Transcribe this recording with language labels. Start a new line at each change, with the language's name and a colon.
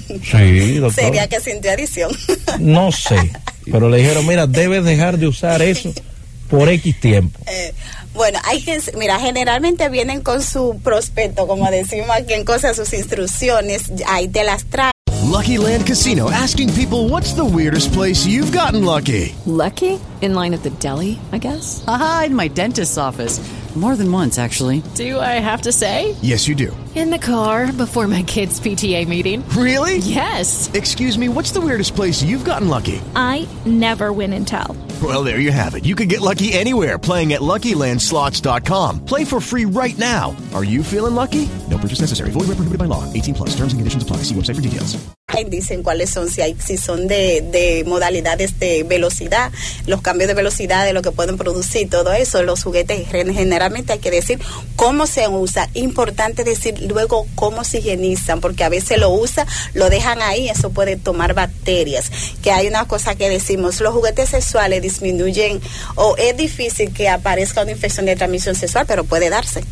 Spanish: Sí, doctor. Sería que sintió adicción. No sé, pero le dijeron, mira, debes dejar de usar eso por X tiempo. Bueno, hay que, mira, generalmente vienen con su prospecto, como decimos aquí en cosas, sus instrucciones, ahí te las trae.
English: Lucky Land Casino, asking people, what's the weirdest place you've gotten lucky? Lucky? In line at the deli, I guess? Aha, in my dentist's office. More than once, actually. Do I have to say? Yes, you do. In the car, before my kids' PTA meeting. Really? Yes. Excuse me, what's the weirdest place you've gotten lucky? I never win and tell. Well, there you have it. You can get lucky anywhere, playing at LuckyLandSlots.com. Play for free right now. Are you feeling lucky? No purchase necessary. Void where prohibited by law. 18 plus. Terms and conditions apply. See website for details.
Spanish: Ahí dicen cuáles son, si son de modalidades de velocidad, los cambios de velocidad de lo que pueden producir, todo eso, los juguetes, generalmente hay que decir cómo se usa, importante decir luego cómo se higienizan, porque a veces lo usa, lo dejan ahí, eso puede tomar bacterias, que hay una cosa que decimos, los juguetes sexuales disminuyen, o es difícil que aparezca una infección de transmisión sexual, pero puede darse,